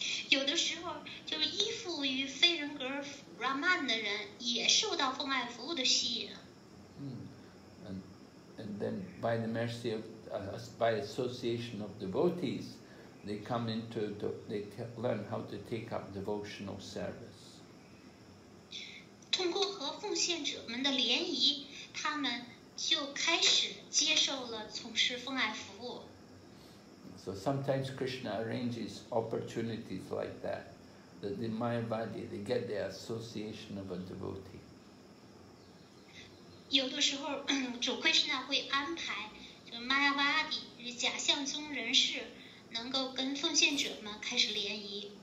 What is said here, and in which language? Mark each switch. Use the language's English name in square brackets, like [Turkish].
[Chinese] 有的时候就是依附于非人格 Brahman 的人也受到奉爱服务的吸引。 [English] And then by the mercy of, by association of devotees, they come into, they learn how to take up devotional service. [Chinese] 通过和奉献者们的联谊，他们就开始接受了从事奉爱服务。 [English] So sometimes Krishna arranges opportunities like that, that the Mayavadi, they get the association of a devotee. [Chinese] 有的时候主 Krishna 会安排就 Mayavadi, 假象中人士能够跟奉献者们开始联谊。